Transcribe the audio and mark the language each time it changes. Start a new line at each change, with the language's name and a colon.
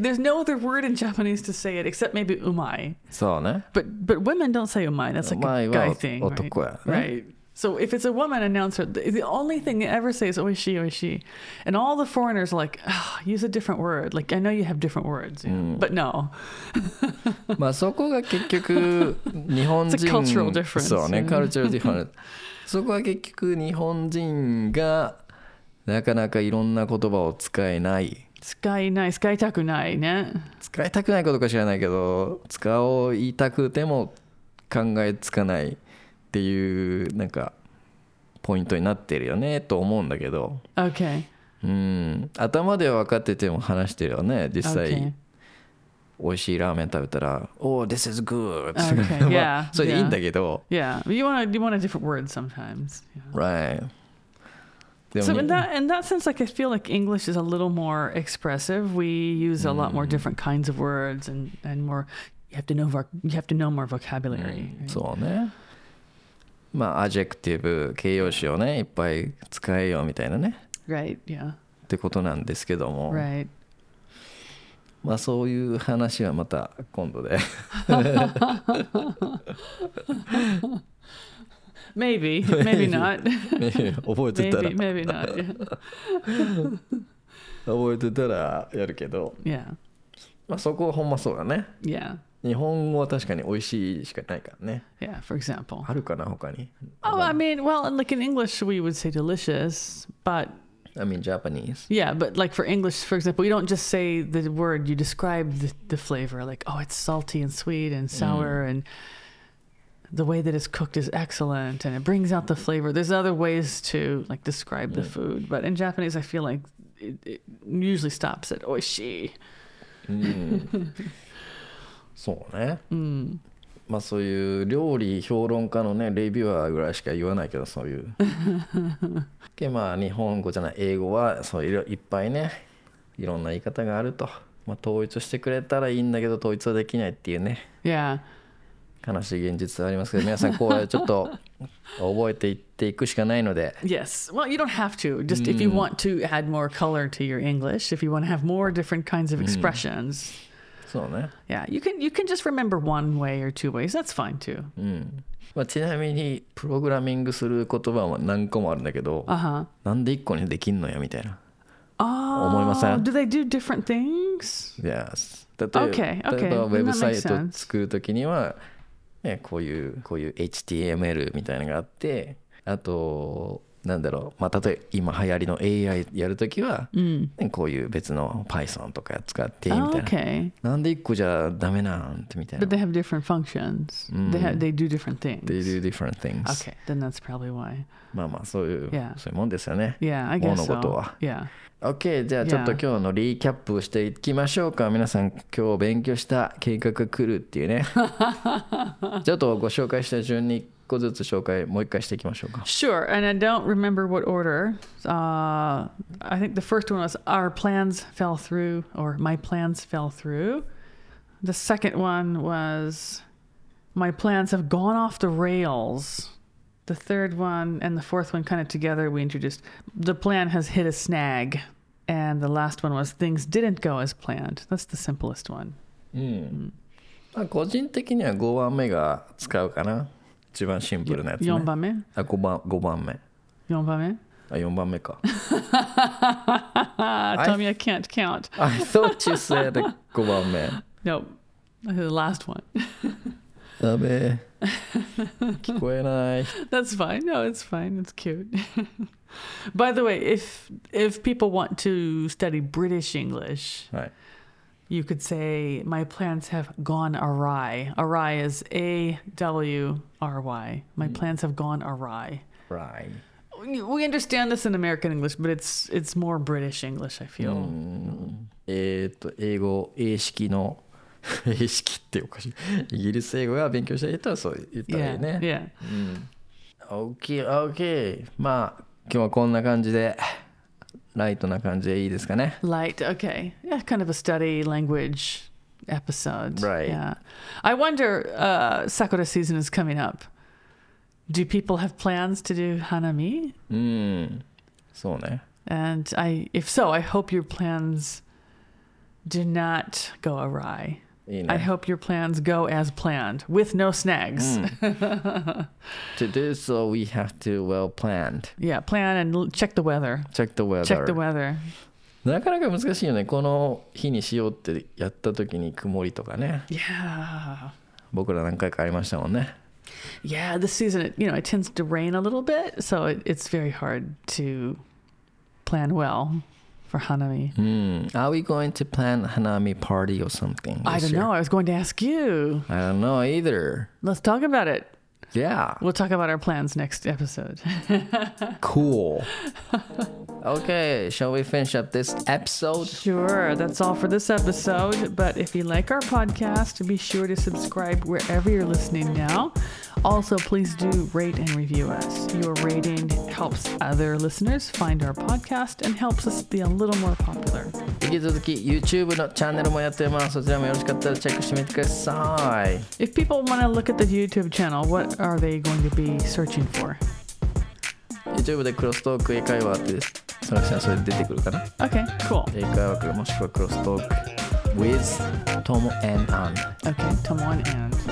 English: There's no other word in Japanese to say it, except maybe umai. So, ne? But women don't say umai. That's like umai a guy thing,
Japanese: otoku,
English: right? Right. So if it's a woman announcer, the only thing they ever say is oishi, oishi. And all the foreigners are like, use a different word. Like, I know you have different words, you know? But no.
Japanese: まあそこが結局日本人
English: It's a cultural difference.
Japanese: そうね、
English: cultural difference.
Japanese: そこは結局日本人がなかなかいろんな言葉を使えない。使いたくないね。使いたくないことか知らないけど、使おう言いたくても考えつかない。っていうなんかポイントになってるよねと思うんだけど、
English: okay.
Japanese: うん、頭では分かってても話してるよね実際、okay. 美味しいラーメン食べたら
English: Oh, this is good、 okay.
Japanese: まあ、
English: yeah.
Japanese: それでいいんだけど、
English: yeah. Yeah. You want a different word sometimes、yeah. Right So in that sense like, I feel like English is a little more expressive We use a lot more different kinds of words and more you have to know more vocabulary、 right?
Japanese: そうねまあ、アジェクティブ、形容詞をね、いっぱい使えようみたいなね。
English: Right, yeah.
Japanese: ってことなんですけども。
English: Right.
Japanese: まあ、そういう話はまた今度で。
English: Maybe, maybe not.
Japanese: 覚えてたら。
English: Maybe, maybe not.
Japanese: 覚えてたらやるけど。
English: Yeah.
Japanese: まあ、そこはほんまそうだね。
English: Yeah.
Japanese: 日本語は確かに美味しいしかないからね。
English: Yeah, for example.
Japanese: あるかな他に。
English: Oh, I mean, well, like in English, we would say delicious, but... I mean, Japanese. Yeah, but like for English, for example, we don't just say the word, you describe the flavor, like, oh, it's salty and sweet and sour, and the way that it's cooked is excellent, and it brings out the flavor. There's other ways to, like, describe the food, but in Japanese, I feel like it usually stops at 美味しい。
Japanese: そうね、うん、まあそういう料理評論家のねレビューアーぐらいしか言わないけどそういうでまあ日本語じゃない英語はそういっぱいねいろんな言い方があると、まあ、統一してくれたらいいんだけど統一はできないっていうね、
English: yeah.
Japanese: 悲しい現実はありますけど皆さんこうちょっと覚えていっていくしかないので
English: Yes, well you don't have to just if you want to add more color to your English if you want to have more different kinds of expressions、
Japanese: うんそうね、
English: yeah, you can just remember one way or two ways. That's fine too.、
Japanese: うんまあ、ちなみにプログラミングする言葉は何個もあるんだけど、
English: uh-huh.
Japanese: なんで一個にできんのやみたいな、
English: oh,
Japanese: 思いません。
English: Do they do different things? Yes.
Japanese: 例えばウェブサイト作るときには、ね、こういう HTML みたいなのがあって、あとなんだろう、まあ、例えば今流行りの AI やるときは、うん、こういう別の Python とか使ってみたいな、
English: oh, okay.
Japanese: なんで一個じゃダメなんてみたいな
English: But they have different functions、
Japanese: うん、
English: they do different things They do different things Okay, then that's probably why
Japanese: まあまあそういう、
English: yeah.
Japanese: そういうもんですよね
English: Yeah, I guess
Japanese: so 物事は、
English: yeah.
Japanese: OK, じゃあちょっと今日のリーキャップしていきましょうか皆さん今日勉強した計画が来るっていうねちょっとご紹介した順に1個ずつ紹介もう一回していきましょうか
English: Sure, and I don't remember what order、I think the first one was Our plans fell through Or my plans fell through The second one was My plans have gone off the rails The third one and the fourth one kind of together we introduced The plan has hit a snag And the last one was Things didn't go as planned That's the simplest one、
Japanese: まあ、個人的には5番目が使うかな一番シンプルなやつね。 4番目？あ、5番目。 4番目？あ、4番目か。
English: Tommy, I can't count. I thought you said
Japanese: 5番目。
English: Nope. The last one.
Japanese: ダメ。聞こえない。
English: That's fine. No, it's fine. It's cute. By the way, if people want to study British English,、 right. you could say, my plans have gone awry. Awry is A-W-R-Y. My plans have gone awry. Right. We understand this in American English, but it's more British English, I feel.
Japanese: 英語、英式の、英式っておかしい。イギリス英語が勉強した人はそう言ったらいいね。
English: Yeah. Okay, okay.
Japanese: まあ、今日はこんな感じで、ライトな感じでいいですかね。
English: Light, okay. Yeah, kind of a study language. Episode. Right. Yeah. I wonder, Sakura season is coming up. Do people have plans to do hanami?
Japanese: そうね。
English: And if so, I hope your plans do not go awry.
Japanese: いいね。
English: I hope your plans go as planned, with no snags. to do so, we have to well planned. Yeah, plan and check the weather. Check the weather. Check the weather.
Japanese: なかなか難しいよね。この日にしようってやった時に曇りとかね。
English: Yeah.
Japanese: 僕ら何回かありましたもんね。
English: Yeah, this season, you know, it tends to rain a little bit, so it's very hard to plan well for hanami. Are we going to plan a hanami party or something? I don't know. I was going to ask you. I don't know either. Let's talk about it. Yeah. We'll talk about our plans next episode. cool. Okay, shall we finish up this episode? Sure, that's all for this episode. But if you like our podcast, be sure to subscribe wherever you're listening now. Also, please do rate and review us. Your rating helps other listeners find our podcast and helps us be a little more popular.
Japanese: 引き続き YouTube のチャンネルもやってます。そちらもよろしかったらチェックしてみてください。
English: If people want to look at the YouTube channel, what are they going to be searching for?
Japanese: YouTube でクロストーク英会話って探したらそれで出てくるかな。
English: Okay, cool.
Japanese: 英会話からもしくはクロストーク With Tomo and Ann.
English: Okay, Tomo and Ann.